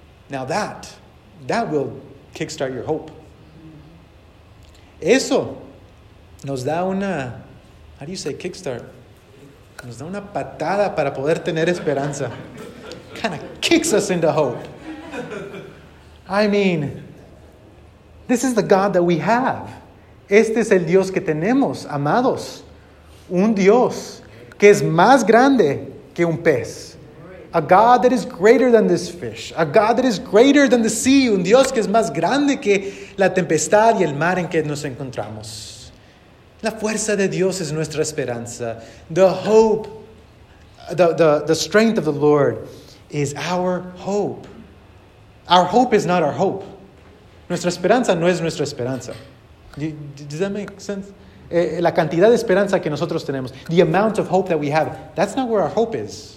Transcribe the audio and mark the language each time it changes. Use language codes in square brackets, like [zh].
[en] Now that will kickstart your hope. [es] Eso nos da una, [en] how do you say kickstart? [es] Nos da una patada para poder tener esperanza. [en] Kind of kicks us into hope. I mean, this is the God that we have. [es] Este es el Dios que tenemos, amados. Un Dios que es más grande que un pez. [en] A God that is greater than this fish. A God that is greater than the sea. [es] Un Dios que es más grande que la tempestad y el mar en que nos encontramos. La fuerza de Dios es nuestra esperanza. [en] The hope, the strength of the Lord is our hope. Our hope is not our hope. [es] Nuestra esperanza no es nuestra esperanza. [en] Does that make sense? [es] La cantidad de esperanza que nosotros tenemos, [en] the amount of hope that we have, that's not where our hope is.